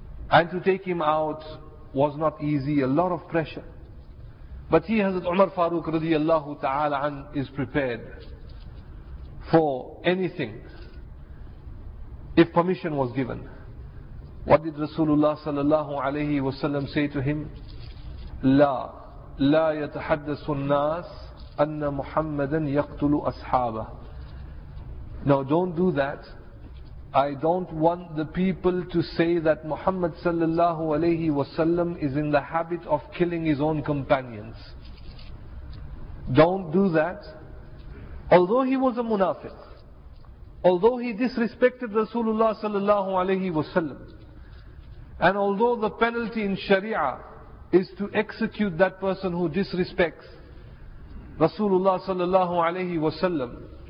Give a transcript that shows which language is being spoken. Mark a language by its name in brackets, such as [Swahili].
[English] And to take him out was not easy, a lot of pressure. But he, Hazrat Umar Farooq radiallahu ta'ala an, is prepared for anything if permission was given. What did Rasulullah sallallahu alayhi wasallam say to him? [Arabic] لا يتحدث الناس أن محمدا يقتل أصحابه. [English] Now don't do that. I don't want the people to say that Muhammad sallallahu alayhi wasallam is in the habit of killing his own companions. Don't do that. Although he was a munafiq, although he disrespected Rasulullah sallallahu alayhi wasallam, and although the penalty in Sharia is to execute that person who disrespects Rasulullah sallallahu alayhi wasallam,